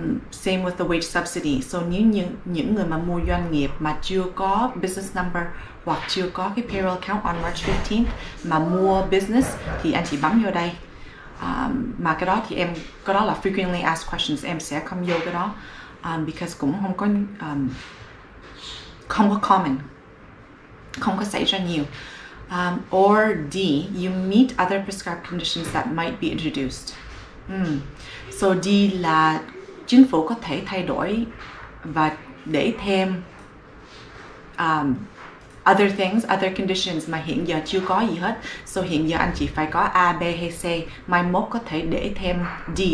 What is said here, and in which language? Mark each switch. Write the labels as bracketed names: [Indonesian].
[English] Same with the wage subsidy. [Vietnamese] So nếu những người mà mua doanh nghiệp mà chưa có business number hoặc chưa có cái payroll account on March 15th mà mua business, thì anh chị bấm vô đây. Mà cái đó thì em, cái đó là frequently asked questions, em sẽ không vô cái đó because cũng không có không có common, không có xảy ra nhiều. [English] Or D, you meet other prescribed conditions that might be introduced. [Vietnamese] So D là chính phủ có thể thay đổi và để thêm [English] other things, other conditions [Vietnamese] mà hiện giờ chưa có gì hết. So hiện giờ anh chị phải có A, B hay C, mai mốt có thể để thêm D.